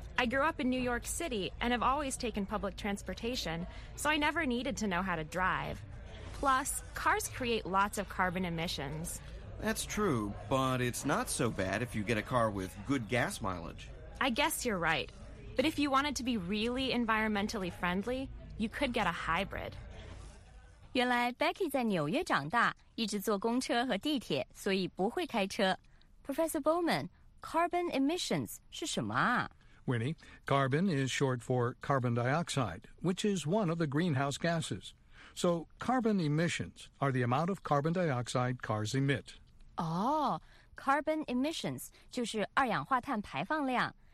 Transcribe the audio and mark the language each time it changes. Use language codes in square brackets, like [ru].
[en] I grew up in New York City and have always taken public transportation, so I never needed to know how to drive. Plus, cars create lots of carbon emissions. That's true, but it's not so bad if you get a car with good gas mileage. I guess you're right. But if you wanted to be really environmentally friendly, you could get a hybrid. [zh] 原来 Becky 在纽约长大，一直坐公车和地铁，所以不会开车。 Professor Bowman, carbon emissions 是什么啊？ [en] Winnie, carbon is short for carbon dioxide, which is one of the greenhouse gases. So carbon emissions are the amount of carbon dioxide cars emit. [zh] Carbon emissions 就是二氧化碳排放量。